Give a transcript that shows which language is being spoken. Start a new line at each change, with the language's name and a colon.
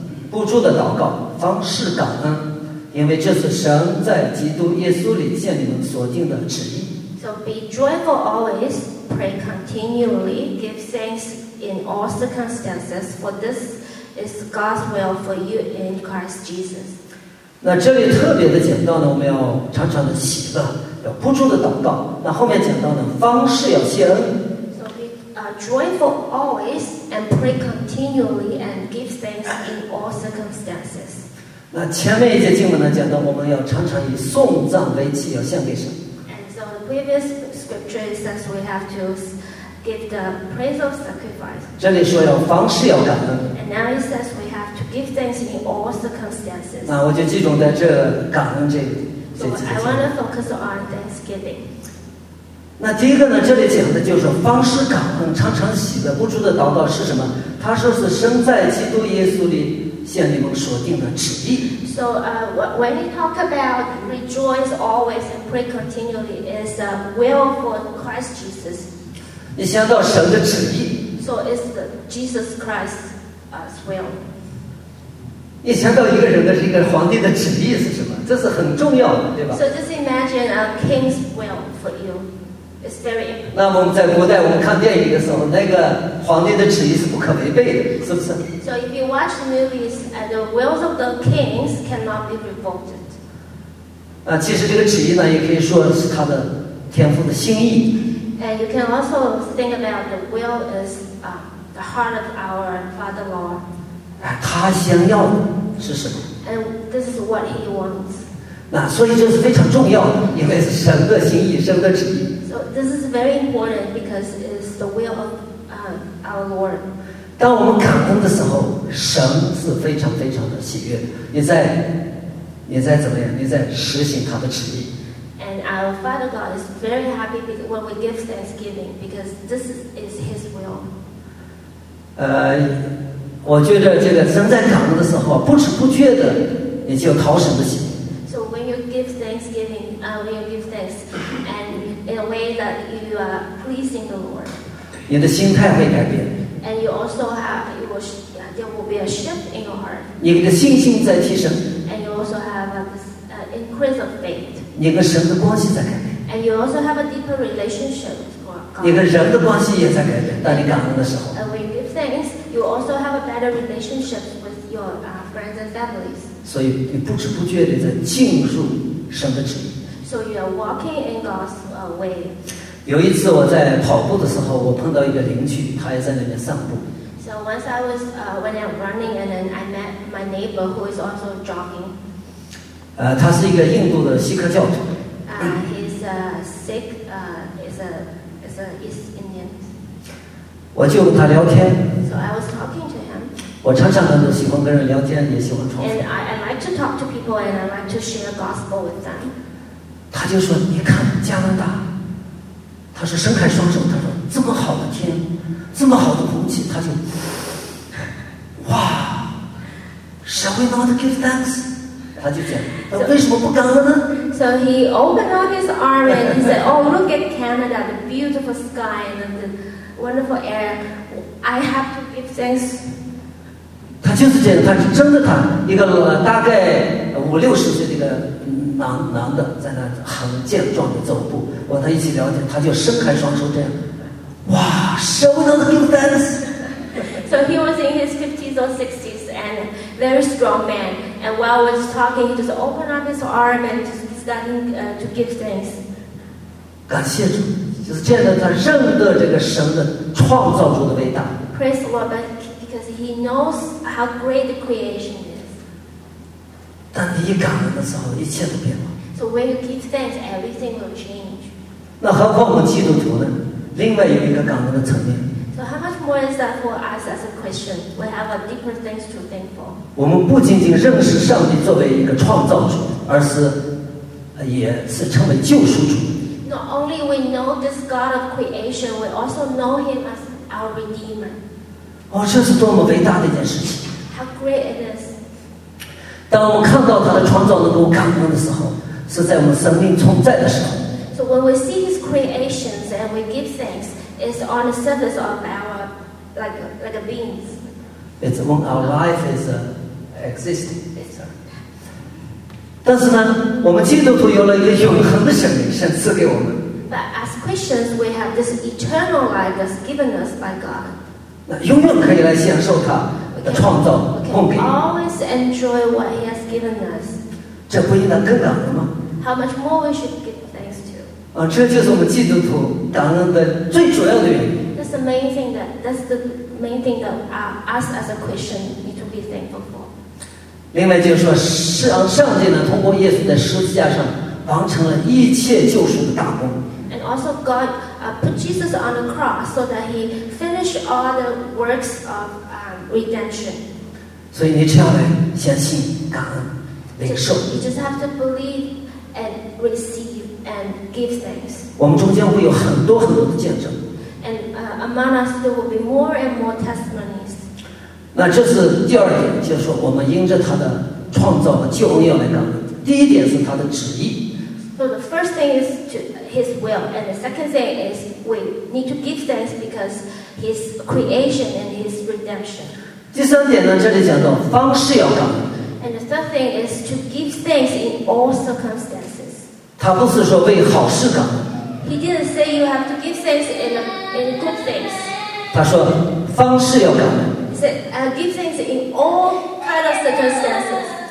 Chinese: 不住的祷告，方是感恩，因为这是神在基督耶稣里向你们所定的旨意。
English: So be joyful always, pray continually, give thanks in all circumstances, for this is God's will for you in Christ Jesus.
Chinese: 那这里特别的讲到呢，我们要常常的喜乐，要不住的祷告。那后面讲到呢，方是要谢恩。
English: Joyful always and pray continually and give thanks in all circumstances.
Chinese: 那前面一节经文呢，讲到我们要常常以颂赞为祭，要献给神。
English: And so the previous scripture says we have to give the praise of sacrifice.
Chinese: 这里说要凡事要感恩。
English: And now it says we have to give thanks in all circumstances.
Chinese: 那我就集中在这感恩这个。
English: So I want to focus on thanksgiving.
Chinese: 那第一个呢，这里讲的就是方式感恩，常常喜乐，不住的祷告是什么？他说是身在基督耶稣里向你们所定的旨意。
English: So, when we talk about rejoice always and pray continually, is a will for Christ Jesus.
Chinese: 你想到神的旨意。
English: So is Jesus Christ's will.
Chinese: 你想到一个人的一个皇帝的旨意是什么？这是很重要的，对吧
English: ？So just imagine a king's will for you.
Chinese: 那么我们在古代我们看电影的时候，那个皇帝的旨意是不可违背的，是不是
English: ？So if you watch movies, the wills of the kings cannot be revoked.
Chinese: 啊，其实这个旨意呢，也可以说是他的天父的心意。
English: And you can also think about the will is the heart of our Father Lord.
Chinese: 他想要的是什么
English: ？And this is what he wants.
Chinese: 那所以这是非常重要的，因为是神的心意，神的旨意。
English: This is very important because it's the will of our Lord.
Chinese: 当我们感恩的时候，神是非常非常的喜悦。你在怎么样？你在实行他的旨意。
English: And our Father God is very happy when we give thanksgiving because this is His will.
Chinese: 我觉得这个神在感恩的时候，不知不觉的你就讨神的喜。
English: So when you give thanksgiving, will give thanks, and in a way that you are pleasing the Lord.
Chinese: 你的心态会改变。
English: And you also have, you will, there will be a shift in your heart.
Chinese: 你的信心在提升。
English: And you also have an increase of faith.
Chinese: 你跟神的关系在改变。
English: And you also have a deeper relationship with God.
Chinese: 你跟人的关系也在改变，当你感恩的时候。
English: And when you give thanks, you also have a better relationship with your friends and families.
Chinese: 所以你不知不觉地在进入神的旨意。
English: So you are walking in God's way.
Chinese: 有一次我在跑步的时候，我碰到一个邻居，他也在那边散步。
English: So once I was when I'm running, and then I met my neighbor who is also jogging.
Chinese: 他是一个印度的锡克教徒。
English: He's a Sikh, is a East Indian.
Chinese: 我就跟他聊天。
English: So I was talking to him.
Chinese: 我常常都喜欢跟人聊天，也喜欢传福音。
English: And I like to talk to people, and I like to share gospel with them.
Chinese: 他就说：“你看加拿大，他说伸开双手，他说这么好的天，这么好的空气，他就哇 ，
English: Shall we not give thanks？”
Chinese: 他就讲：“那为什么不感恩呢
English: ？”So he opened up his arm and he said, "Oh, look at Canada, the beautiful sky and the wonderful air. I have to give thanks.”
Chinese: 他就是这样，他是真的，他一个大概五六十岁的一个男的，在那很健壮的走步，我跟他一起聊天，他就伸开双手这样，哇 ，
English: Shall we not give thanks? So he was in his 50s or 60s and very strong man. And while we were talking, he just opened up his arm and starting to give thanks.
Chinese: 感谢主，就是这样的，他认得这个神的创造主的伟大。
English: Praise the Lord. He knows how great the creation is.
Chinese: 但你一感恩的时候，一切都变了。
English: So when you give thanks, everything will change.
Chinese: 那何况我们基督徒呢？另外有一个感恩的层面。
English: So how much more is that for us as a Christian? We have a different things to think for.
Chinese: 我们不仅仅认识上帝作为一个创造主，而是也是称为救赎主。
English: Not only we know this God of creation, we also know Him as our Redeemer.
Chinese: 哦，这是多么伟大的一件事情！
English: How great it is. 当我们看到他的创造能够感恩的时候，是在我们生命存在的时候。 So when we see his creations and we give thanks, it's on the surface of our like beings. It's when our life is existing. Yes, sir.
Chinese: 但是呢，我们基督徒有了一个永恒的生命，神赐给我们。
English: But as Christians, we have this eternal life that's given us by God.
Chinese: 永远可以来享受他的创造供给。
English: We can always enjoy what he has given us.
Chinese: 这不应当更感恩吗？
English: How much more we should give thanks to?
Chinese: 这就是我们基督徒感恩的最主要的原因。
English: That's the main thing that us as a Christian need to be thankful for.
Chinese: 另外就是说，上帝呢，通过耶稣在十字架上完成了一切救赎的大功。
English: And also God put Jesus on the cross so that he finished all the works of redemption.
Chinese: 所以你只要来相信、感恩、领受。
English: You just have to believe and receive and give thanks.
Chinese: 我们中间会有很多很多的见证。
English: And among us there will be more and more testimonies.
Chinese: 那这是第二点，就是说我们因着他的创造和救恩要来感恩。第一点是他的旨意。
English: So the first thing is to his will, and the second thing is we need to give thanks because his creation and his redemption.
Chinese: 第三点呢，这里讲到方式要感恩。
English: And the third thing is to give thanks in all circumstances.
Chinese: 他不是说为好事感恩。
English: He didn't say you have to give thanks in good things.
Chinese: 他说方式要感恩。
English: He said give thanks in all kind of circumstances.